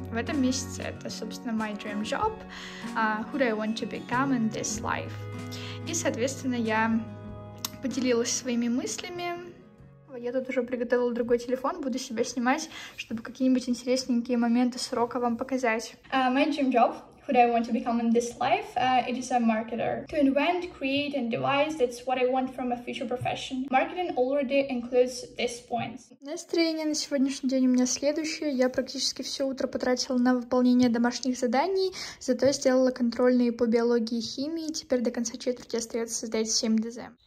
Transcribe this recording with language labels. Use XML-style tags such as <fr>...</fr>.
<ru>В этом месяце это, собственно,</ru> <en>my dream job, who do I want to become in this life.</en> <ru>И, соответственно, я поделилась своими мыслями. Я тут уже приготовила другой телефон, буду себя снимать, чтобы какие-нибудь интересненькие моменты с урока вам показать.</ru> <en>My dream job. who do I want to become in this life? It is a marketer. To invent, create, and devise, that's what I want from a future profession. Marketing already includes these points.</en> <ru>Настроение на сегодняшний день у меня следующее. Я практически все утро потратила на выполнение домашних заданий, зато сделала контрольные по биологии и химии. Теперь до конца четверти остается создать 7 ДЗ.</ru>